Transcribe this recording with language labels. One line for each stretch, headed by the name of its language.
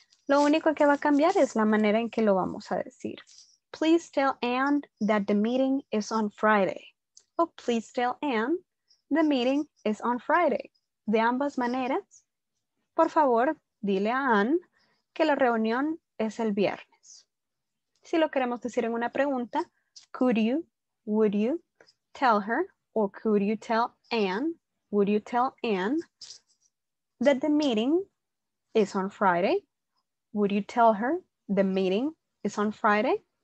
Spanish: Lo único que va a cambiar es la manera en que lo vamos a decir.
English: Please tell Anne that the meeting is on Friday. Oh, please tell Anne the meeting is on Friday.
Spanish: De ambas maneras, por favor, dile a Anne que la reunión es el viernes. Si lo queremos decir en una pregunta,
English: could you, would you tell her, or could you tell Anne, would you tell Anne that the meeting is on Friday? Would you tell her the meeting is on Friday?